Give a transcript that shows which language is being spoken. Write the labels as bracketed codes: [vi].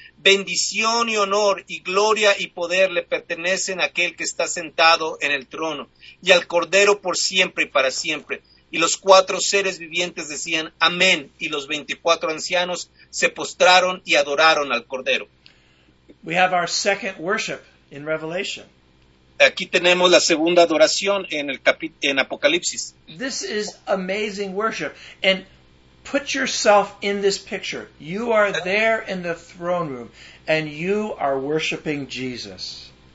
[es] Bendición y honor y gloria y poder le pertenecen a aquel que está sentado en el trono y al Cordero por siempre y para siempre. Y los cuatro seres vivientes decían, amén. Y los 24 ancianos se postraron y adoraron al Cordero. [en] We have our second worship in Revelation. [es] Aquí tenemos la segunda adoración en Apocalipsis. [en] This is amazing worship. And put yourself in this picture. You are there in the throne room and you are worshiping Jesus.